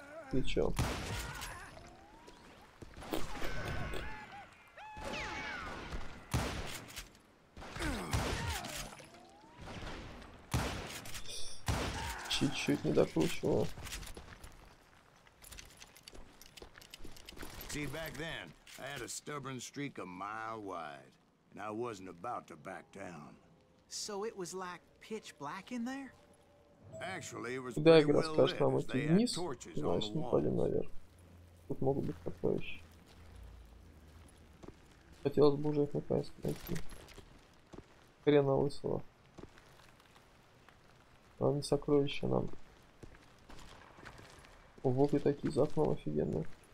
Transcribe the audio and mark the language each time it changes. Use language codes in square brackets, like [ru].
[ru] Ты чё? Чуть-чуть не докручивал. [en] See, back then, I had a stubborn streak a mile wide, and I wasn't about to back down. So it was like pitch black in there? Actually, it was pretty well lit, as they had torches on the walls. [ru] Тут могут быть сокровища. Хотелось бы уже их наконец-то найти. Хрена лысого. А не сокровища нам. Вот и такие за окном офигенные.